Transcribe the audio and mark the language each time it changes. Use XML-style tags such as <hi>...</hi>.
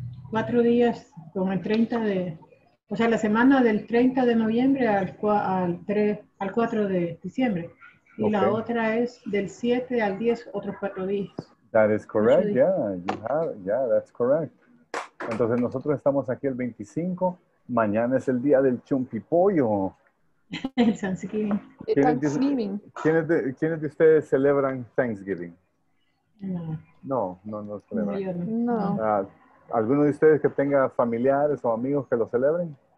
<es>4 días con el 30 de, o sea, la semana del 30 de noviembre al 4 de diciembre. Y okay, la otra es del 7 al 10, otros 4 días.</es> <en>That is correct, yeah, you have, yeah, that's correct.</en> <es>Entonces nosotros estamos aquí el 25, mañana es el día del chumpi pollo. El Thanksgiving. ¿Quiénes de ustedes celebran Thanksgiving? No. No, no, no celebran. No. ¿Alguno de ustedes que tenga familiares o amigos que lo celebren?</es>